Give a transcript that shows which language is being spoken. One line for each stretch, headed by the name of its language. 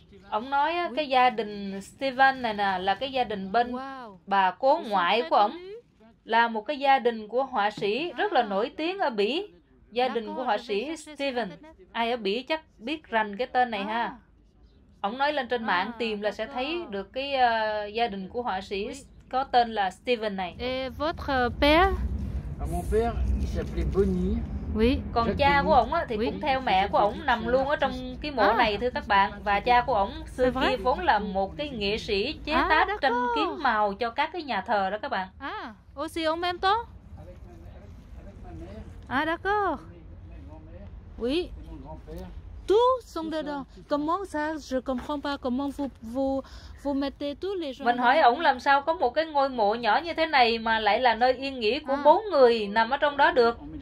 Vietnamese: Ông nói á, cái gia đình Steven này nè là cái gia đình bên bà cố ngoại của ông, là một cái gia đình của họa sĩ rất là nổi tiếng ở Bỉ. Gia đình của họa sĩ Steven. Ai ở Bỉ chắc biết rành cái tên này ha. Ông nói lên trên mạng tìm là sẽ thấy được cái gia đình của họa sĩ có tên là Steven này.
French: Et votre père? À, mon père, il s'appelait Bonnie. Oui.
Vietnamese: Còn cha của ông á, thì cũng theo mẹ của ông nằm luôn ở trong cái mộ này thưa các bạn. Và cha của ông xưa kia vốn là một cái nghệ sĩ chế tác tranh kiếm màu cho các cái nhà thờ đó các bạn.
French: Aussi en même temps? Ah, d'accord. Oui. Tout sont dedans. Comment ça? Je comprends pas. Comment vous mettez tous les gens?
Vietnamese: Mình hỏi ông làm sao có một cái ngôi mộ nhỏ như thế này mà lại là nơi yên nghỉ của bốn người nằm ở trong đó được?